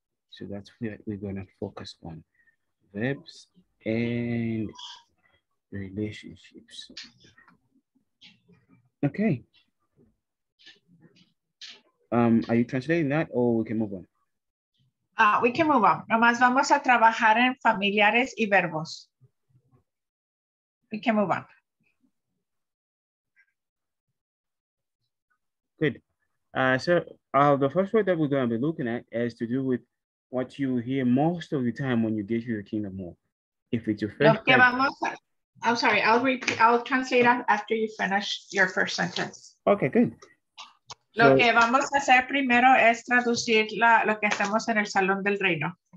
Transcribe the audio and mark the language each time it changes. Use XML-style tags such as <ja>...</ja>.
<en>So that's what we're going to focus on. Verbs and relationships. Okay. Are you translating that or we can move on? We can move on.</en> <es>Nomás vamos a trabajar en familiares y verbos.</es> <en>We can move on. Good. So the first word that we're going to be looking at is to do with what you hear most of the time when you get to the kingdom hall. If it's your first time. I'll translate after you finish your first sentence. Okay, good.</en> <es>Lo que vamos a hacer primero es traducir lo que hacemos en el Salón del Reino.</es>